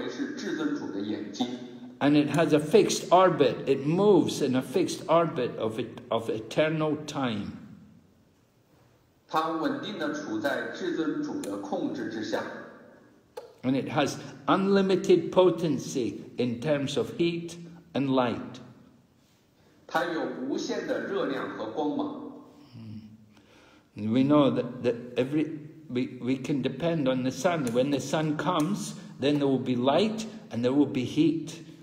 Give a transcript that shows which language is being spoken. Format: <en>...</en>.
<zh>这里描述到太阳可以被形容为是至尊主的眼睛。</zh> <en>And it has a fixed orbit, it moves in a fixed orbit of eternal time.</en> <zh>它稳定地处在至尊主的控制之下。</zh> <en>And it has unlimited potency in terms of heat and light.</en> <zh>它有无限的热量和光芒。</zh> <en>We know that we can depend on the sun. When the sun comes, then there will be light and there will be heat.</en>